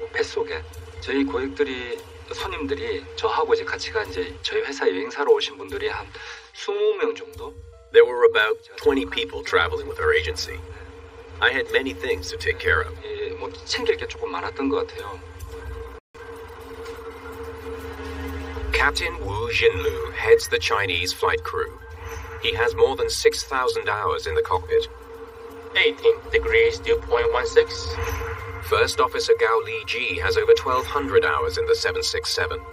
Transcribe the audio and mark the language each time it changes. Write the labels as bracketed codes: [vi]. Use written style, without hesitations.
[ko] 뱃속에 저희 고객들이 손님들이 저하고 이제 같이 간 이제 저희 회사 여행사로 오신 분들이 한 20명 정도. [en] There were about 20 people traveling with our agency. I had many things to take care of. [ko] 예, 뭐 챙길 게 조금 많았던 것 같아요. [en] Captain Wu Jinlu heads the Chinese flight crew. He has more than 6,000 hours in the cockpit. 18 degrees, dew point 16. First Officer Gao Li Ji has over 1,200 hours in the 767.